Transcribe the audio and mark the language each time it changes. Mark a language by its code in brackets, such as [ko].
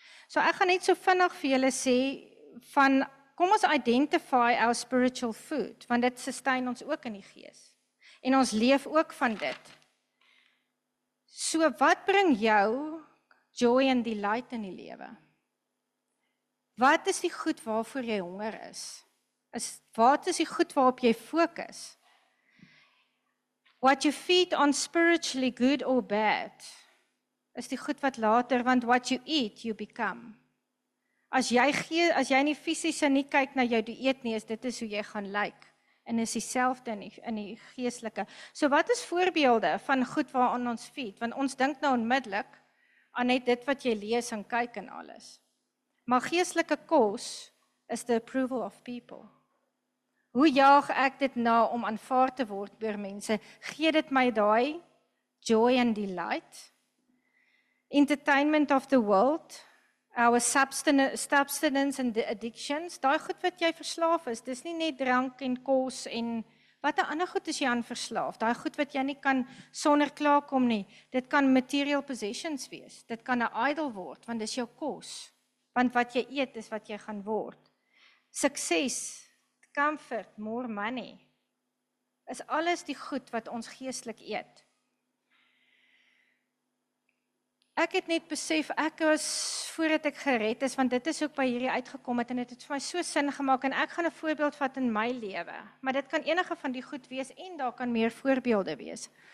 [af] So ek gaan net so vinnig vir julle sê van kom ons [en] identify our spiritual food, [af] want dit sustain ons ook in die gees. En ons leef ook van dit. So wat bring jou [en] joy and delight [af] in die lewe? Wat is die goed waarvoor jy honger is? Wat is die goed waarop jy fokus? [en] What you feed on spiritually, good or bad, [af] is die goed wat later, want [en] what you eat, you become. [af] As jy gee, as jy nie fisies nie kyk na jou dieet nie, is dit is hoe jy gaan lyk. En is dieselfde in die geestelike. So wat is voorbeelde van goed waaraan ons feed? Want ons dink nou onmiddellik aan net dit wat jy lees en kyk en alles. Maar geestelike kos is [en] the approval of people. [af] Hoe jaag ek dit na om aanvaar te word deur mense? Gee dit my daai [en] joy and delight? Entertainment of the world, our substance and the addictions, [af] daai goed wat jy verslaaf is, dis nie net drank en kos en wat 'n ander goed is jy aan verslaaf? Daai goed wat jy nie kan sonder klaarkom nie. Dit kan material possessions wees. Dit kan 'n idol word want dis jou kos. Want wat jy eet is wat jy gaan word. Sukses, [en] comfort, more money. [af] Is alles die goed wat ons geestelik eet. Ek het net besef ek was voordat ek gered is, want dit is ook by hierdie uitgekom het en dit het vir my so sin gemaak en ek gaan 'n voorbeeld vat in my lewe. Maar dit kan enige van die goed wees en daar kan meer voorbeelde wees.